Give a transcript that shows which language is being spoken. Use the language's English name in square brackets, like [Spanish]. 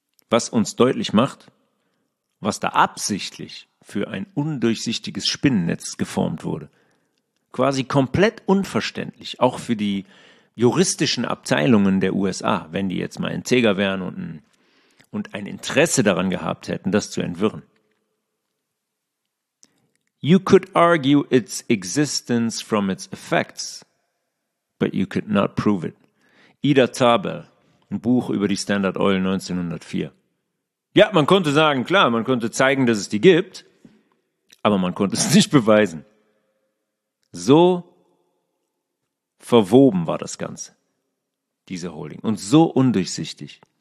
[German] Was uns deutlich macht, was da absichtlich für ein undurchsichtiges Spinnennetz geformt wurde. Quasi komplett unverständlich, auch für die juristischen Abteilungen der USA, wenn die jetzt mal integer wären und ein Interesse daran gehabt hätten, das zu entwirren. [English] You could argue its existence from its effects, but you could not prove it. [German] Ida Tabel, ein Buch über die Standard Oil 1904. Ja, man konnte sagen, klar, man konnte zeigen, dass es die gibt, aber man konnte es nicht beweisen. So verwoben war das Ganze, diese Holding, und so undurchsichtig.